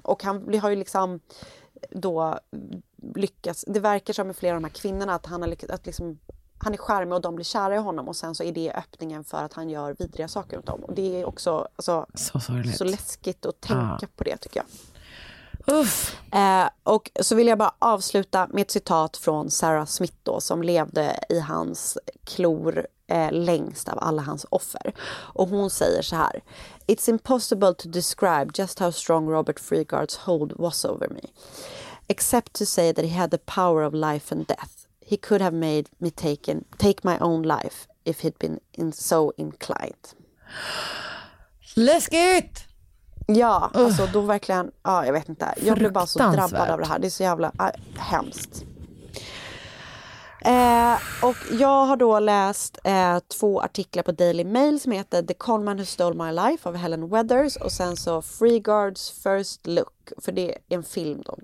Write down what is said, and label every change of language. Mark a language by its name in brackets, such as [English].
[Swedish] Och han har ju liksom då lyckats, det verkar som med flera av de här kvinnorna att han har lyckats att liksom, han är charmig och de blir kära i honom, och sen så är det öppningen för att han gör vidriga saker mot dem. Och det är också alltså, så läskigt att tänka på det, tycker jag. Uff. Och så vill jag bara avsluta med ett citat från Sarah Smith då, som levde i hans klor längst av alla hans offer. Och hon säger så här: [English] "It's impossible to describe just how strong Robert Freeguards hold was over me. Except to say that he had the power of life and death. He could have made me take my own life if he'd been so inclined." [Swedish] Läskigt! Ja, alltså då verkligen, ja, jag vet inte. Jag blev bara så drabbad av det här. Det är så jävla hemskt. Och jag har då läst 2 artiklar på Daily Mail som heter "The Conman Who Stole My Life" av Helen Weathers, och sen så "Freeguards First Look", för det är en film då.